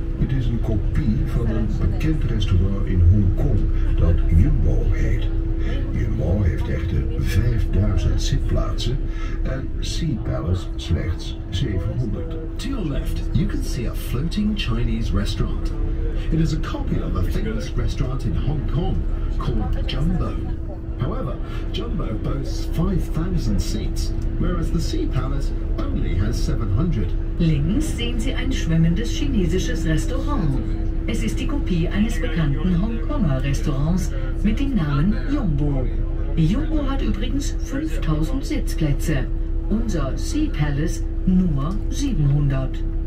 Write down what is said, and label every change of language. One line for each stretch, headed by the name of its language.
Dutch: Het is een kopie van een bekend restaurant in Hongkong dat Jumbo heet. Jumbo heeft echter 5000 zitplaatsen en Sea Palace slechts 700.
English: To your left, you can see a floating Chinese restaurant. It is a copy of a famous restaurant in Hong Kong called Jumbo. However, Jumbo boasts 5000 seats, whereas the Sea Palace only has 700.
German: Links sehen Sie ein schwimmendes chinesisches Restaurant. Es ist die Kopie eines bekannten Hongkonger Restaurants mit dem Namen Jumbo. Jumbo hat übrigens 5000 Sitzplätze, unser Sea Palace nur 700.